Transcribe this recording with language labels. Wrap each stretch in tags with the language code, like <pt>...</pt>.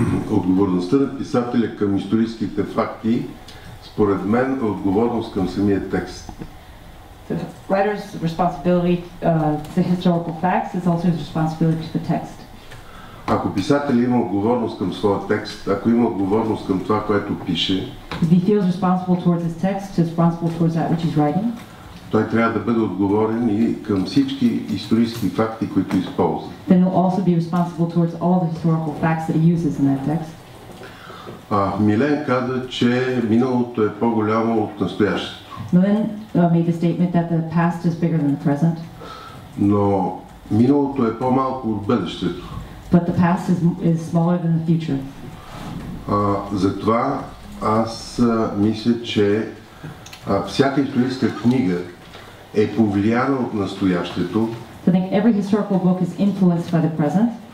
<bg>Отговорността на писателя към историческите факти, според мен, е отговорност към самия текст.</bg> <en>The writer's responsibility to historical facts is also his responsibility to the text.</en> <bg>Ако писателя има отговорност към своя текст, ако има отговорност към това, което пише,</bg> <en>if he feels responsible towards his text, he's responsible towards that which he's writing.</en> <bg>Той трябва да бъде отговорен и към всички исторически факти, които използва.</bg> <en>Then he'll also be responsible towards all the historical facts that he uses in that text.</en> <bg>Милен каза, че миналото е по-голямо от настоящето.</bg> <en>Milen made the statement that the past is bigger than the present.</en> <bg>Но миналото е по-малко от бъдещето.</bg> <en>But the past is smaller than the future.</en> <bg>Затова аз мисля, че всяка историческа книга е повлияна от настоящето.</bg> <en>So I think every historical book is influenced by the present.</en>